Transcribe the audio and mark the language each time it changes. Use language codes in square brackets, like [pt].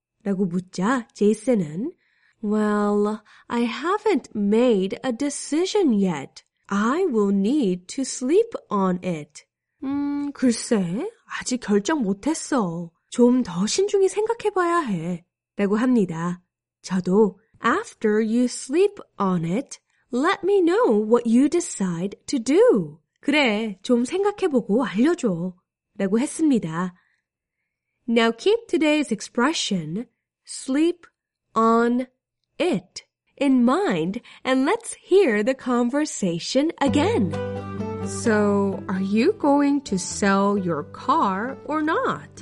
[ko] 라고 묻자 제이슨은 [en] Well, I haven't made a decision yet. I will need to sleep on it. [ko] 글쎄, 아직 결정 못 했어. 좀 더 신중히 생각해 봐야 해. 라고 합니다. 저도 [en] After you sleep on it, let me know what you decide to do. [ko] 그래, 좀 생각해보고 알려줘. 라고 했습니다. [en] Now keep today's expression, sleep on it, in mind, and let's hear the conversation again. So, are you going to sell your car or not?